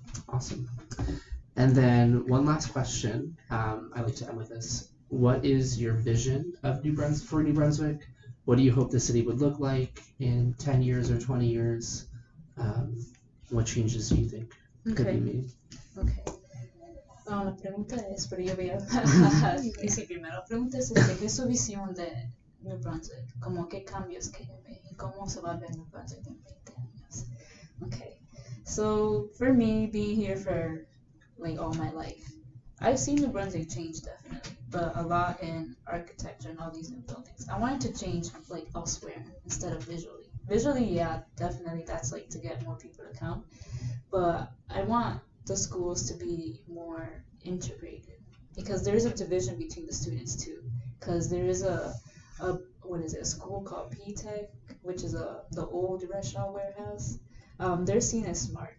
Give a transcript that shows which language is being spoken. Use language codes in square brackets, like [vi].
[en] Awesome. And then one last question, I like to end with this. What is your vision of New Brunswick? What do you hope the city would look like in 10 years or 20 years? What changes do you think could okay. be made? Okay. [es] La pregunta es, pero yo voy a decir primero. La pregunta es, ¿qué es su visión de New Brunswick? ¿Cómo qué cambios quiere ver? ¿Cómo se va a ver New Brunswick en 20 años? [en] Okay. So, for me, being here for, like, all my life, I've seen New Brunswick change, definitely, but a lot in architecture and all these new buildings. I wanted to change, like, elsewhere instead of visually. Visually, yeah, definitely, that's, like, to get more people to come, but I want the schools to be more integrated, because there is a division between the students too, because there is a school called P-Tech, which is the old restaurant warehouse. They're seen as smart.